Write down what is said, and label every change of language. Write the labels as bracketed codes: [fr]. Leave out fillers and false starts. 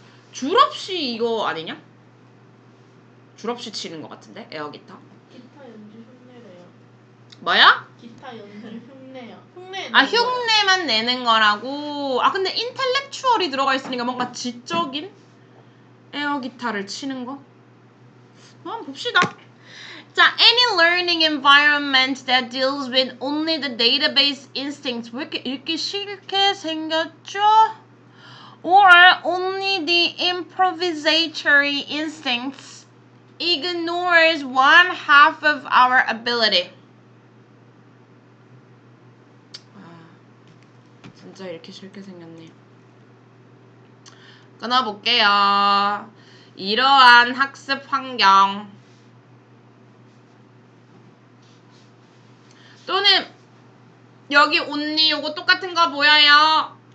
[ko] 줄 없이 이거 아니냐? 줄 없이 치는 거 같은데? 에어 기타? 기타 연주 흉내래요. 뭐야? 기타 연주 아 흉내만 내는 거라고. 아 근데 인텔렉추얼이 들어가 있으니까 뭔가 지적인 에어기타를 치는 거. 한번 봅시다. [en] 자, any learning environment that deals with only the database instincts. [ko] 왜 이렇게 읽기 싫게 생겼죠? [en] Or only the improvisatory instincts ignores one half of our ability. [ko] 진짜 이렇게 싫게 생겼네요. 끊어볼게요. 이러한 학습 환경 또는 여기 언니 요거 똑같은 거 보여요?